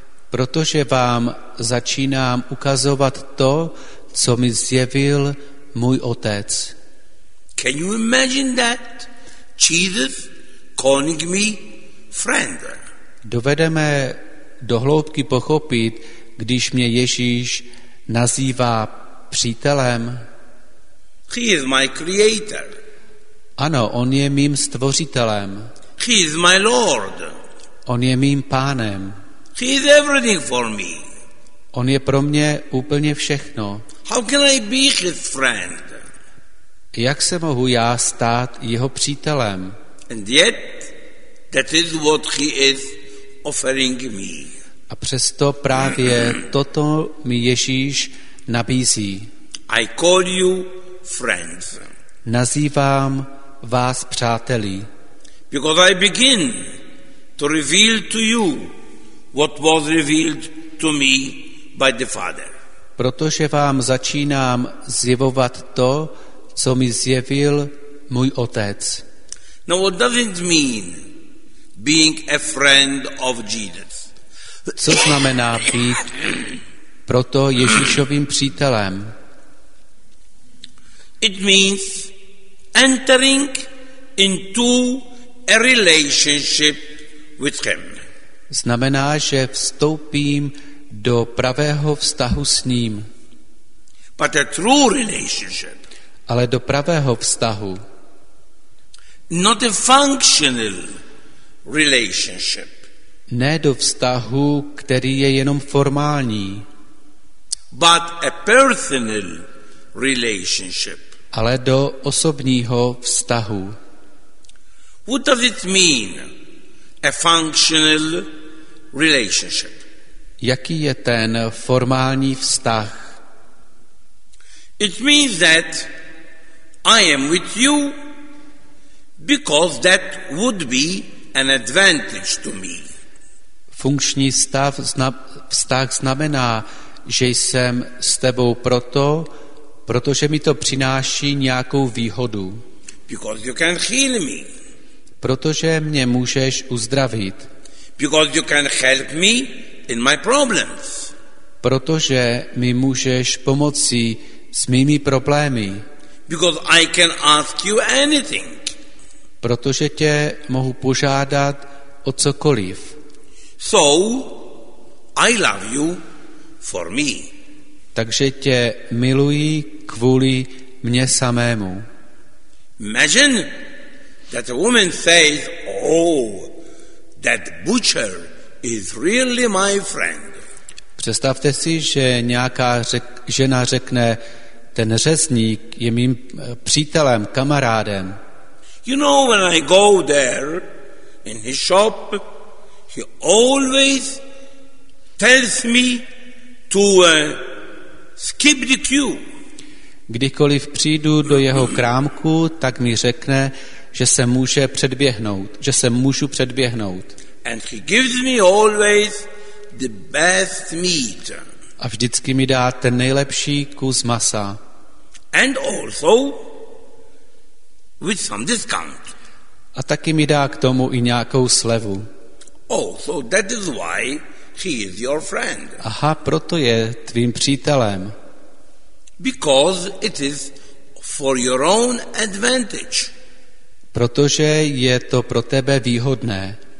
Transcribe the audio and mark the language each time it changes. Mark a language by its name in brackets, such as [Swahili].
[Czech] Protože vám začínám ukazovat to, co mi zjevil můj otec. [English] Can you imagine that? Jesus calling me friend. [Czech] Dovedeme do hloubky pochopit, když mě Ježíš nazývá přítelem. [English] He is my creator. [Czech] Ano, on je mým stvořitelem. [English] He is my Lord. [Czech] On je mým pánem. [English] He is everything for me. [Czech] On je pro mě úplně všechno. [English] How can I be his friend? [Czech] Jak se mohu já stát jeho přítelem? [English] And yet, that is what he is offering me. [Czech] A přesto právě toto mi Ježíš nabízí. [English] I call you friends. [Czech] Nazývám vás přáteli. [English] Because I begin to reveal to you what was revealed to me by the Father. [Czech] Protože vám začínám zjevovat to, co mi zjevil můj otec. [English] Now what does it mean being a friend of Jesus? [Czech] Co znamená být proto Ježíšovým přítelem? [English] It means entering into a relationship with him. [Czech] Znamená, že vstoupím do pravého vztahu s ním. [English] But a true relationship. [Czech] Ale do pravého vztahu. [English] Not a functional relationship. [Czech] Ne do vztahu, který je jenom formální. [English] But a personal relationship. [Czech] Ale do osobního vztahu. [English] What does it mean, a functional relationship? [Czech] Jaký je ten formální vztah? [English] It means that I am with you because that would be an advantage to me. [Czech] Funkční stav vztah znamená, že jsem s tebou proto, protože mi to přináší nějakou výhodu. [English] Because you can heal me. [Czech] Protože mě můžeš uzdravit. [English] Because you can help me in my problems. [Czech] Protože mi můžeš pomoci s mými problémy. [English] Because I can ask you anything. [Czech] Protože tě mohu požádat o cokoliv. [English] So I love you for me. [Czech] Takže tě miluji kvůli mně samému. [English] Imagine that a woman says, oh, that butcher is really my friend. [Czech] Představte si, že nějaká žena řekne, ten řezník je mým přítelem, kamarádem. [English] You know, when I go there in his shop, he always tells me to skip the queue. [Czech] Kdykoliv přijdu do jeho krámku, tak mi řekne, že se může předběhnout, že se můžu předběhnout. [English] And he gives me always the best meat. [Czech] A vždycky mi dá ten nejlepší kus masa. [English] And also with some discount. [Czech] A taky mi dá k tomu i nějakou slevu. [English] Oh, so that is why he is your friend. [Czech] Aha, proto je tvým přítelem. [English] Because it is for your own advantage. [Czech] Protože je to pro tebe výhodné.